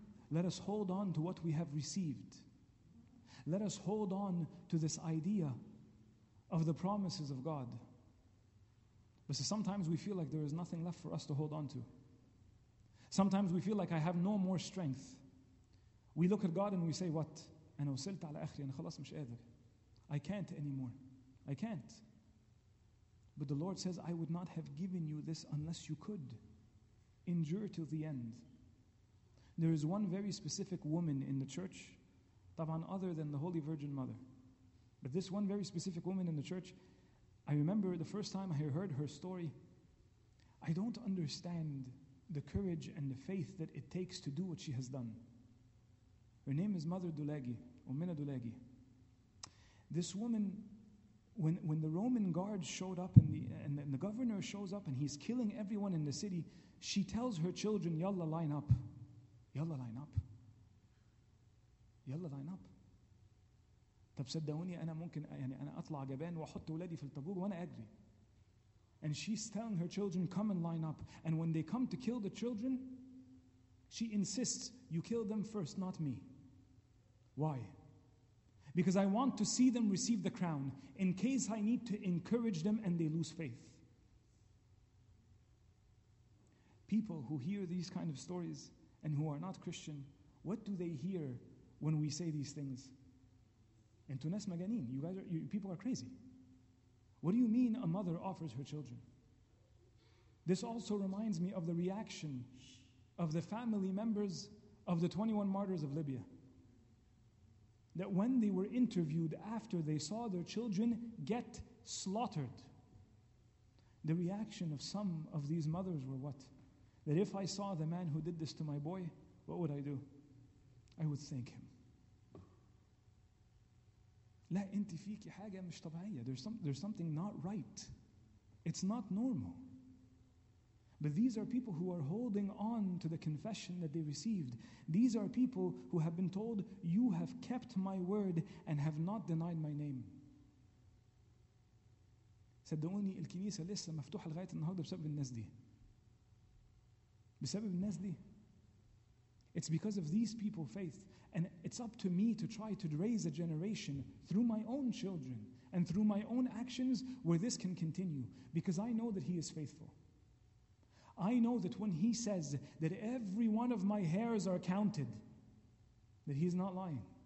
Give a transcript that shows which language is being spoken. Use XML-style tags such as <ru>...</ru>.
<en>Let us hold on to what we have received. Let us hold on to this idea of the promises of God. But sometimes we feel like there is nothing left for us to hold on to. Sometimes we feel like I have no more strength. We look at God and we say, what?</en> <ar>أنا وصلت على آخري, أنا خلاص مش قادر.</ar> <en>I can't anymore. I can't. But the Lord says, I would not have given you this unless you could. Endure till the end. There is one very specific woman in the church, طبعاً other than the Holy Virgin Mother. But this one very specific woman in the church, I remember the first time I heard her story, I don't understand the courage and the faith that it takes to do what she has done. Her name is Mother Dulegi, Umina Dulegi. This woman, When the Roman guards showed up and the governor shows up and he's killing everyone in the city, she tells her children, yalla, line up. Yalla, line up. Yalla, line up.</en> <ar>طب صدقوني انا ممكن يعني انا اطلع جبان واحط ولادي في الطابور وانا اجري.</ar> <en>And she's telling her children, come and line up. And when they come to kill the children, she insists, you kill them first, not me. Why? Because I want to see them receive the crown in case I need to encourage them and they lose faith. People who hear these kind of stories and who are not Christian, what do they hear when we say these things?</en> <ar>Entunes maganin,</ar> <en>people are crazy. What do you mean a mother offers her children? This also reminds me of the reaction of the family members of the 21 martyrs of Libya. That when they were interviewed after they saw their children get slaughtered, the reaction of some of these mothers were what? That if I saw the man who did this to my boy, what would I do? I would thank him.</en> <ar>لا انت فيك حاجة مش طبيعية.</ar> <en>There's something not right. It's not normal. But these are people who are holding on to the confession that they received. These are people who have been told, you have kept my word and have not denied my name.</en> <ar>صدقوني الكنيسة لسه مفتوحة لغاية النهاردة بسبب الناس دي. بسبب الناس دي.</ar> <en>It's because of these people's faith. And it's up to me to try to raise a generation through my own children and through my own actions where this can continue. Because I know that He is faithful. I know that when He says that every one of my hairs are counted, that He is not lying.</en>